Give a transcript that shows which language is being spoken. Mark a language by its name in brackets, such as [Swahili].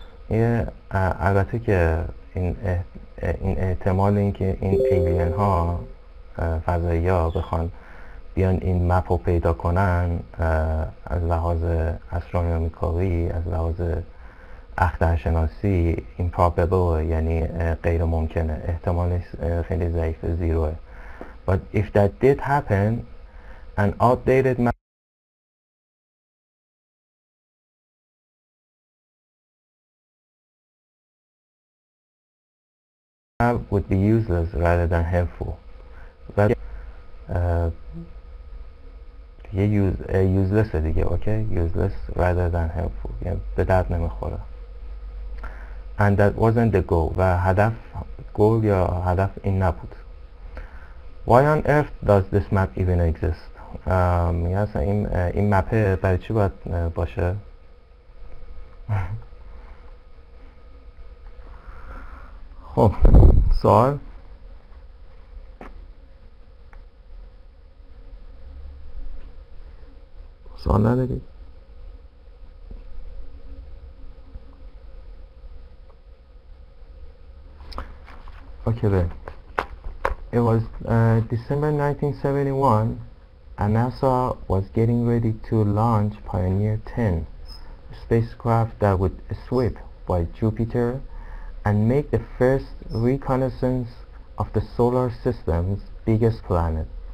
[Persian] یه البته که این احتمال اینکه این ایلین ها فضایی ها بخوان بیان این مپ رو پیدا کنن از لحاظ استرونومیکالی، از لحاظ اخترشناسی improbable، یعنی غیر ممکنه، احتمالش خیلی ضعیف، زیروه. [English] But if that did happen, an updated map would be useless rather than helpful. [Persian] ولی یه useless دیگه، okay? [English] Useless rather than helpful. [Persian] یعنی به درد نمیخوره. [English] And that wasn't the goal. [Persian] و هدف، goal یا هدف این نبود. [English] Why on earth does this map even exist? [Persian] میگه اصلا این مپ برای چی باید باشه؟ خب سوال سوال نداری؟ اوکی بریم. [English] It was December 1971, and NASA was getting ready to launch Pioneer 10, a spacecraft that would sweep by Jupiter and make the first reconnaissance of the solar system's biggest planet.